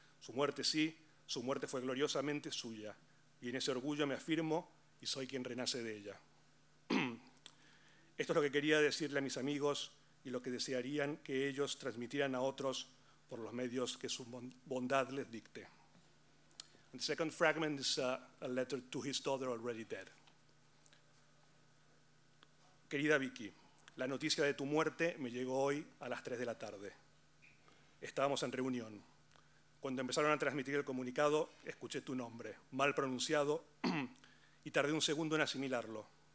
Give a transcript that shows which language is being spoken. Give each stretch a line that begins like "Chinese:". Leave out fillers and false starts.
Spanish: Su muerte sí, su muerte fue gloriosamente suya, y en ese orgullo me afirmo y soy quien renace de ella. Esto es lo que quería decirle a mis amigos y lo que desearían que ellos transmitieran a otros por los medios que su bondad les dicte.
English: And the second fragment is a letter to his daughter already dead.
Spanish: Querida Vicky, la noticia de tu muerte me llegó hoy a las 3 de la tarde. Estábamos en reunión. Cuando empezaron a transmitir el comunicado, escuché tu nombre, mal pronunciado, y tardé un segundo en asimilarlo.